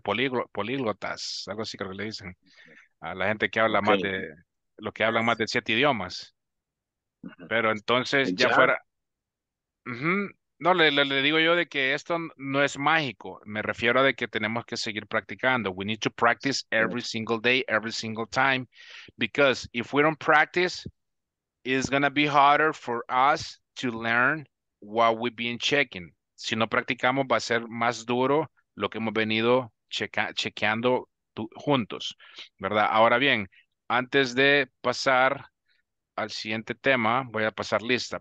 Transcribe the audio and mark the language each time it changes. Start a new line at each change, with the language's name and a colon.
Spanish: Políglotas, algo así creo que le dicen. A la gente que habla más de, los que hablan más de 7 idiomas. Pero entonces ya fuera... Uh-huh. No, le digo yo de que esto no es mágico. Me refiero a de que tenemos que seguir practicando.
English: We need to practice every single day, every single time. Because if we don't practice, it's going to be harder for us to learn what we've been checking.
Spanish: Si no practicamos, va a ser más duro lo que hemos venido chequeando juntos. ¿Verdad? Ahora bien, antes de pasar al siguiente tema, voy a pasar lista.